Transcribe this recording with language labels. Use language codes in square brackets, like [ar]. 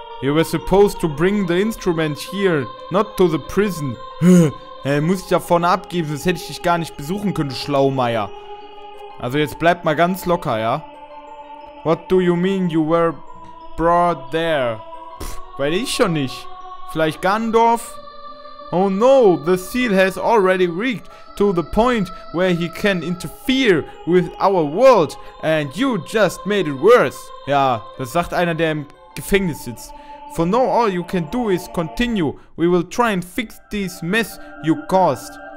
[en] You were supposed to bring the instrument here, not to the prison. [de] muss ich ja vorne abgeben, sonst hätte ich dich gar nicht besuchen können, Schlaumeier. Also jetzt bleibt mal ganz locker, ja? [en] What do you mean you were brought there? Pff, [de] weiß ich schon nicht. Vielleicht [en] Gandorf? Oh no, the seal has already reached to the point where he can interfere with our world and you just made it worse. [de] Ja, das sagt einer, der im Gefängnis sitzt. [en] For now, all you can do is continue. We will try and fix this mess you caused.